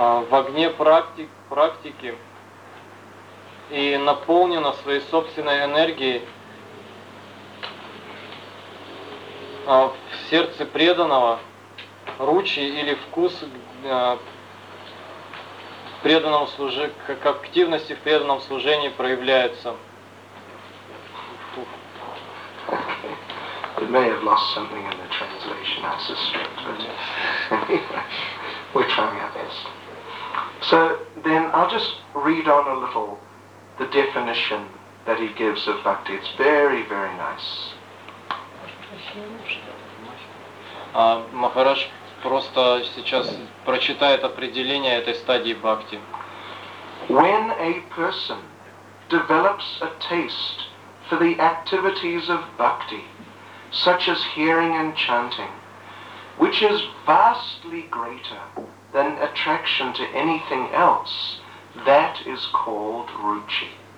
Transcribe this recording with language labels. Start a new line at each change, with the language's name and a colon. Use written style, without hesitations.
Russian: огне практики и наполнена своей собственной энергией, в сердце преданного ручи или вкус преданному служению, как активности в преданном служении проявляется.
English: Okay. It may have lost something in the translation, I suspect, but anyway, we're trying our best. So then I'll just read on a little the definition that he gives of bhakti. It's very, very nice.
Russian: Махарадж просто сейчас прочитает определение этой стадии бхакти.
English: When a person develops a taste for the activities of bhakti, such as hearing and chanting, which is vastly greater than attraction to anything else, that is called ruchi.